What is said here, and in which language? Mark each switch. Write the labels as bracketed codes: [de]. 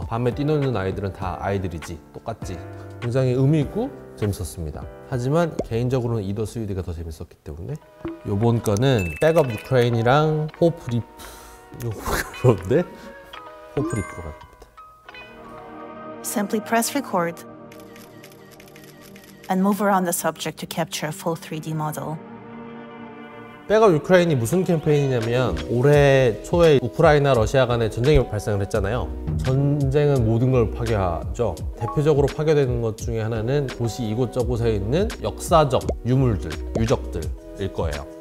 [ko] 밤에 뛰노는 아이들은 다 아이들이지. 똑같지. 굉장히 의미있고 재밌었습니다. 하지만 개인적으로는 이더 스위드가 더 재밌었기 때문에 요번 거는 백업 유크레인이랑 호프 리프. 그런데 호프 리프로 갑니다. [en] Simply press record and move around the subject to capture a full 3D model. [ko] 백업 유크레인이 무슨 캠페인이냐면, 올해 초에 우크라이나 러시아 간의 전쟁이 발생을 했잖아요. 전쟁은 모든 걸 파괴하죠. 대표적으로 파괴되는 것 중에 하나는 도시 이곳저곳에 있는 역사적 유물들, 유적들일 거예요.